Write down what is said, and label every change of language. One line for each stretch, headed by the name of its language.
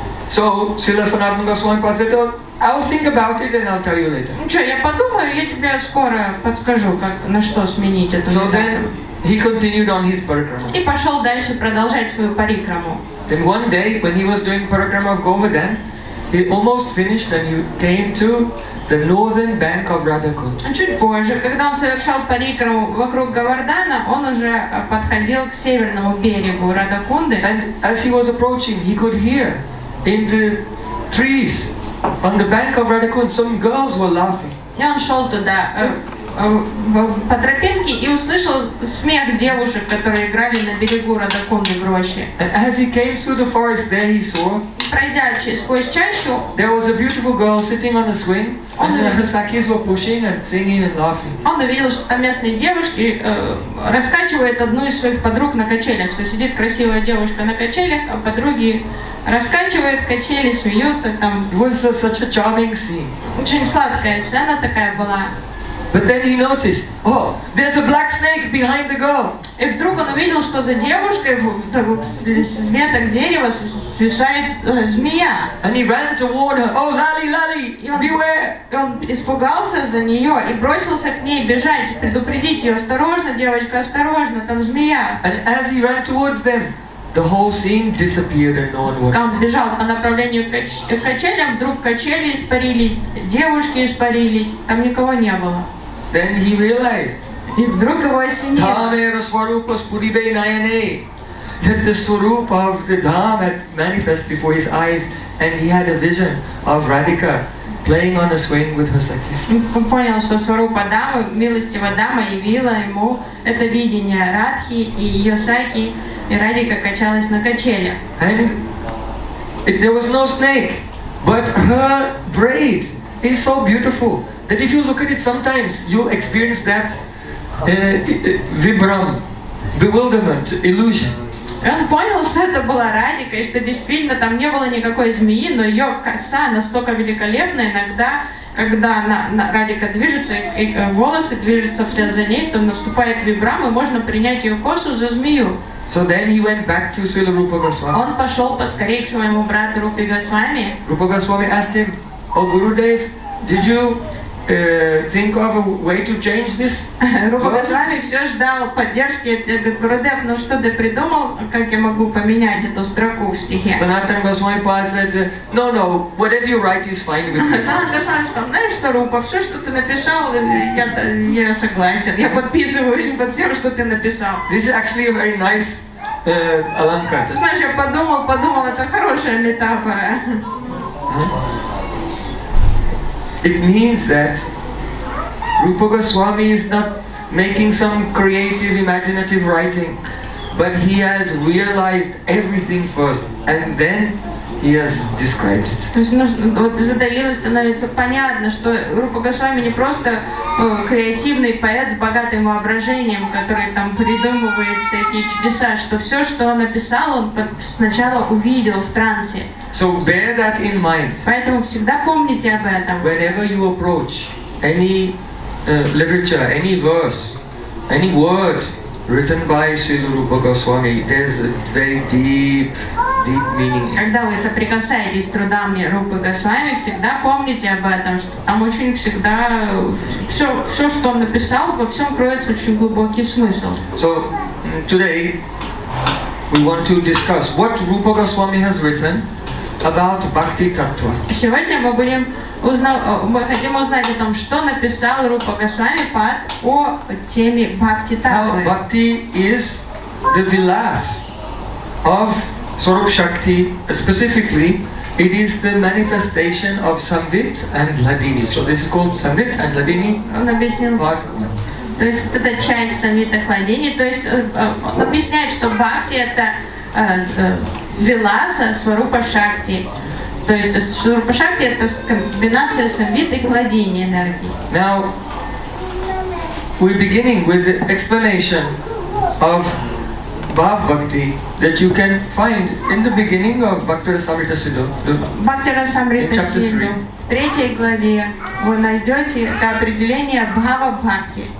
English: So, Srila Sanatana Goswami said, I'll think about it and I'll tell you later.
Russian: Ну что, я подумаю, я тебе скоро подскажу, как, на что сменить это.
English: So then he continued on his parikrama.
Russian: И пошел дальше продолжать свою парикраму.
English: Then one day, when he was doing parikrama of Govardhan, he almost finished and he came to the northern bank of Radhakund.
Russian: А чуть позже, когда он совершал парикраму вокруг Говардхана, он уже подходил к северному берегу Радхакунды.
English: And as he was approaching, he could hear in the trees on the bank of Radhakund some girls were laughing.
Russian: И он шел туда по тропинке и услышал смех девушек, которые играли на берегу Радхакунды в роще.
English: And as he came through the forest, there he saw.
Russian: Пройдя сквозь чащу,
English: there was a beautiful girl sitting on a swing, and the sakis were pushing and singing and laughing.
Russian: Он увидел, что там местные девушки раскачивают одну из своих подруг на качелях, что сидит красивая девушка на качелях, а подруги раскачивают качели, смеются там.
English: It was such a charming scene.
Russian: Очень сладкая сцена такая была.
English: But then he noticed, oh, there's a black snake behind the girl.
Russian: И вдруг он увидел, что за девушкой с веток дерева свисает змея.
English: And he ran toward her, oh, Lali, Lali, beware.
Russian: Он испугался за нее и бросился к ней бежать, предупредить ее, осторожно, девочка, осторожно, там змея.
English: And as he ran towards them, the whole scene disappeared and no one was.
Russian: Когда он бежал по направлению к качелям, вдруг качели испарились, девушки испарились, там никого не было.
English: Then he realized.
Russian: И вдруг его осенило.
Sanskrit: Dhamma Swarupa Spuribe Nayane.
English: That the Swarupa of the Dhamma had manifest before his eyes and he had a vision of Radhika playing on a swing with her sakis.
Russian: Он понял, что Сварупа Дама, милостивая дама, явила ему это видение Радхи и ее саки. И Радика качалась на качеле.
English: And there was no snake, but her braid is so beautiful that if you look at it sometimes, you experience that vibram, bewilderment, illusion.
Russian: И он понял, что это была Радика, и что действительно там не было никакой змеи, но ее коса настолько великолепна иногда, когда Радика движется, и волосы движутся вслед за ней, то наступает вибрам, и можно принять ее косу за змею.
English: So then he went back to Srila Rupa Goswami.
Russian: Он пошел поскорее к своему брату Рупе Госвами.
English: Rupa Goswami asked him, "Oh Gurudev, did you think of a way to change this?"
Russian: Rupa Goswami все ждал поддержки. Говорит, Gurudev, ну что ты придумал, как я могу поменять эту строку в стихе?
English: Sanatana Goswami said, "No, no, whatever you write is fine with me."
Russian: Sanatana Goswami сказал, знаешь что, Рупа, все, что ты написал, я согласен, я подписываюсь под всем, что ты написал.
English: This is actually a very nice alanka.
Russian: Ты знаешь, я подумал, это хорошая метафора.
English: It means that Rupa Goswami is not making some creative, imaginative writing, but he has realized everything first, and then he has described it.
Russian: То есть, ну, вот из этой лилы становится понятно, что Рупа Госвами не просто креативный поэт с богатым воображением, который там придумывает всякие чудеса, что все, что он написал, он сначала увидел в трансе.
English: So bear that in mind.
Russian: Поэтому всегда помните об этом.
English: Whenever you approach any literature, any verse, any word written by Srila Rupa Goswami, there's a very deep, deep meaning.
Russian: Когда вы соприкасаетесь с трудами Рупы Госвами, всегда помните об этом, что там очень всегда все, что он написал, во всем кроется очень глубокий смысл.
English: So today we want to discuss what Rupa Goswami has written about Bhakti Tattva.
Russian: Сегодня мы хотим узнать о том, что написал Рупа Госвами по теме Бхакти Таттвы.
English: How Bhakti is the vilas of Swarup Shakti, specifically, it is the manifestation of Samvit and Ladini. So this is called Samvit and Ladini.
Russian: Он объяснил. То есть это часть Самвита Ладини. То есть он объясняет, что Бхакти это Виласа Сварупа Шакти. То есть Сварупа Шакти это комбинация Самвита и Ладини энергии.
English: Now we're beginning with the explanation of Bhav Bhakti that you can find in the beginning of Bhakti Rasamrita Sindhu. Bhakti Rasamrita Sindhu.
Russian: В третьей главе вы найдете это определение Бхава Бхакти.